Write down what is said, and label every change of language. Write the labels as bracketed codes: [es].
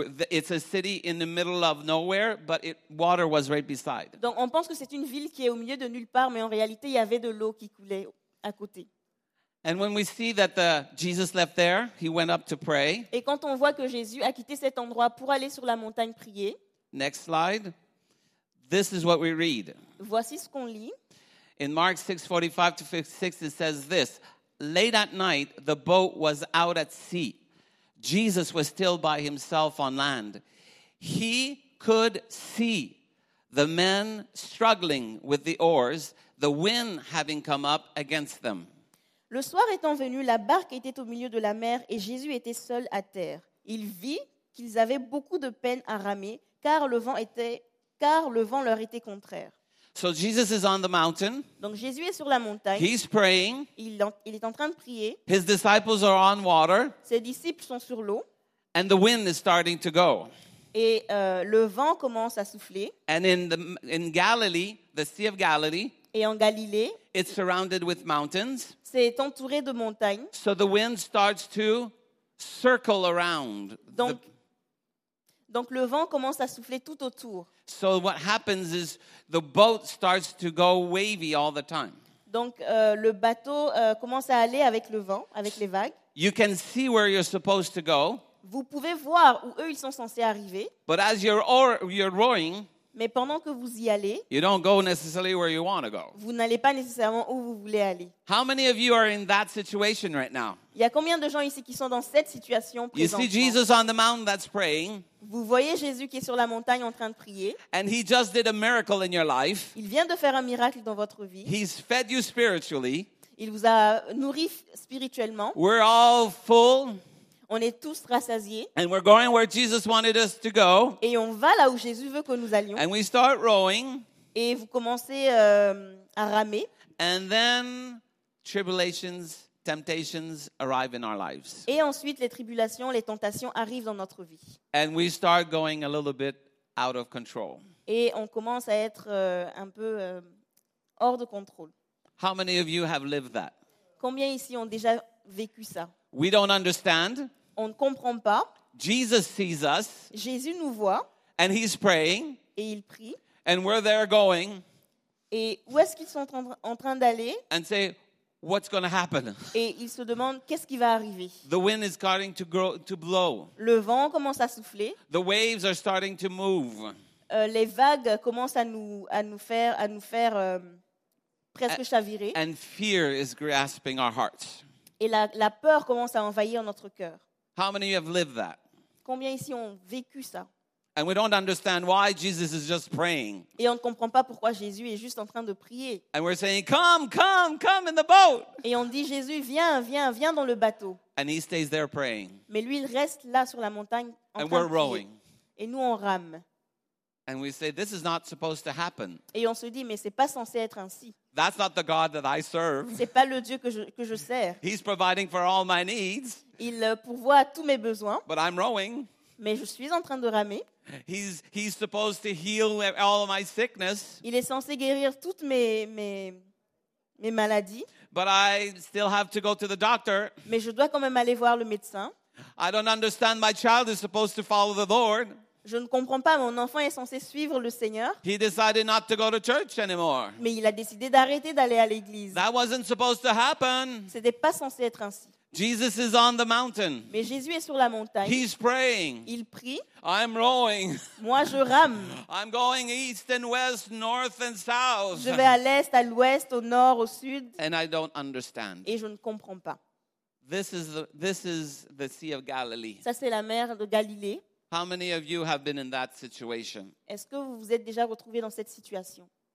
[en] It's a city in the middle of nowhere, but water was right beside. [fr] Donc, on pense que c'est une ville qui est au milieu de nulle part, mais en réalité, il y avait de l'eau qui coulait à côté. [en] And when we see that Jesus left there, he went up to pray. [fr] Et quand on voit que Jésus a quitté cet endroit pour aller sur la montagne prier. [en] Next slide. This is what we read. [fr] Voici ce qu'on lit. [en] In Mark 6, 45 to 56, it says this. Late at night, the boat was out at sea. Jesus was still by himself on land. He could see the men struggling with the oars, the wind having come up against them. [fr] Le soir étant venu, la barque était au milieu de la mer et Jésus était seul à terre. Il vit qu'ils avaient beaucoup de peine à ramer, car le vent leur était contraire. [en] So Jesus is on the mountain. [fr] Donc Jésus est sur la montagne. [en] He's praying. [fr] Il est en train de prier. [en] His disciples are on water. [fr] Ses disciples sont sur l'eau. [en] And the wind is starting to go. [fr] Et le vent commence à souffler. [en] And in Galilee, the Sea of Galilee, [fr] et en Galilée, [en] it's surrounded with mountains. [fr] C'est entouré de montagnes. [en] So the wind starts to circle around. [fr] Donc le vent commence à souffler tout autour. [en] So what happens is the boat starts to go wavy all the time. [fr] Donc le bateau commence à aller avec le vent, avec les vagues. [en] You can see where you're supposed to go. [fr] Vous pouvez voir où eux ils sont censés arriver. [en] But as you're rowing, [fr] mais pendant que vous y allez, [en] you don't go necessarily where you want to go. [fr] Vous n'allez pas nécessairement où vous voulez aller. [en] How many of you are in that situation right now? [fr] Il y a combien de gens ici qui sont dans cette situation présentement? [en] You see Jesus on the mountain that's praying. [fr] Vous voyez Jésus qui est sur la montagne en train de prier. [en] And he just did a miracle in your life. [fr] Il vient de faire un miracle dans votre vie. [en] He's fed you spiritually. [fr] Il vous a nourri spirituellement. [en] We're all full. [fr] On est tous rassasiés. [en] And we're going where Jesus wanted us to go. [fr] Et on va là où Jésus veut que nous allions. [en] And we start rowing. [fr] Et vous commencez à ramer. [en] And then tribulations, temptations arrive in our lives. [fr] Et ensuite les tribulations, les tentations arrivent dans notre vie. [en] And we start going a little bit out of control. [fr] Et on commence à être un peu hors de contrôle. [en] How many of you have lived that? [fr] Combien ici ont déjà vécu ça? [en] We don't understand. [fr] On ne comprend pas. [en] Jesus sees us. [fr] Jésus nous voit. [en] And he's praying. [fr] Et il prie. [en] And we're there going. [fr] Et où est-ce qu'ils sont en train d'aller? [en] And say, what's going to happen? [fr] Et ils se demandent qu'est-ce qui va arriver? [en] The wind is starting to blow. [fr] Le vent commence à souffler. [en] The waves are starting to move. [fr] Les vagues commencent à nous faire presque chavirer. [en] And fear is grasping our hearts. [fr] Et la peur commence à envahir notre cœur. [en] How many of you have lived that? [fr] Combien ici ont vécu ça? [en] And we don't understand why Jesus is just praying. [fr] Et on ne comprend pas pourquoi Jésus est juste en train de prier. [en] And we're saying, come, come, come in the boat. [fr] Et on dit, Jésus, viens, viens, viens dans le bateau. [en] And he stays there praying. [fr] Mais lui, il reste là sur la montagne en train de prier. [en] And we're rowing. [fr] Et nous, on rame. [en] And we say, this is not supposed to happen. [fr] Et on se dit, mais c'est pas censé être ainsi. [en] That's not the God that I serve. [fr] C'est pas le Dieu que je sers. [en] He's providing for all my needs. [fr] Il pourvoit à tous mes besoins. [en] But I'm rowing. [fr] Mais je suis en train de ramer. [en] He's supposed to heal all my sickness. [fr] Il est censé guérir toutes mes maladies. [en] But I still have to go to the doctor. [fr] Mais je dois quand même aller voir le médecin. [en] I don't understand my child is supposed to follow the Lord. [fr] Je ne comprends pas, mon enfant est censé suivre le Seigneur. [en] He decided not to go to church anymore. [fr] Mais il a décidé d'arrêter d'aller à l'église. [en] That wasn't supposed to happen. [fr] C'était pas censé être ainsi. [en] Jesus is on the mountain. [fr] Mais Jésus est sur la montagne. [en] He's praying. [fr] Il prie. [en] I'm rowing. [fr] Moi, je rame. [en] I'm going east and west, north and south. [fr] Je vais à l'est, à l'ouest, au nord, au sud. [en] And I don't understand. [fr] Et je ne comprends pas. [en] This is the Sea of Galilee. [fr] Ça, c'est la mer de Galilée. [en] How many of you have been in that situation? [fr] Est-ce que vous vous êtes déjà retrouvé dans cette situation?